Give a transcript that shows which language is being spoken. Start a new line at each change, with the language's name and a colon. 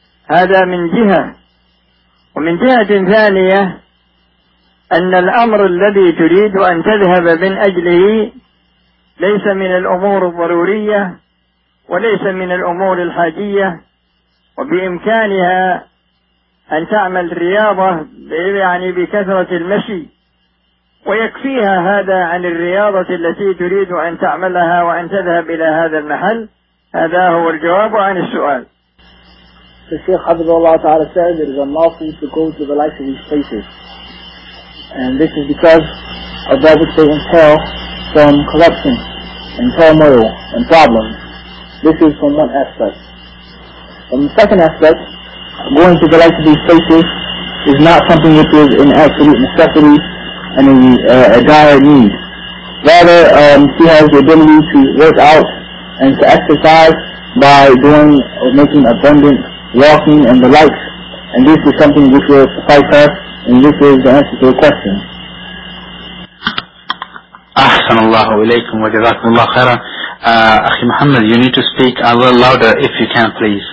Arabic: هذا من جهة، ومن جهة ثانية أن الأمر الذي تريد أن تذهب من أجله ليس من الأمور الضرورية وليس من الأمور الحاجية، وبإمكانها أن تعمل رياضة يعني بكثرة المشي، ويكفيها هذا عن الرياضة التي تريد أن تعملها وأن تذهب إلى هذا المحل. هذا هو الجواب عن السؤال.
English: The Shaykh Hafizullah Ta'ala says it is unlawful to go to the likes of these places. And this is because of that which they entail from corruption and turmoil and problems. This is from one aspect. From the second aspect, going to the likes of these places is not something which is an absolute necessity and a dire need. Rather, she has the ability to work out and to exercise by doing or making abundant walking and the likes, and this is something which will suffice us, and this is the answer to the question.
Arabic: أحسن الله إليكم وجزاكم الله خيرا.
English: أخي محمد, you need to speak a little louder if you can, please.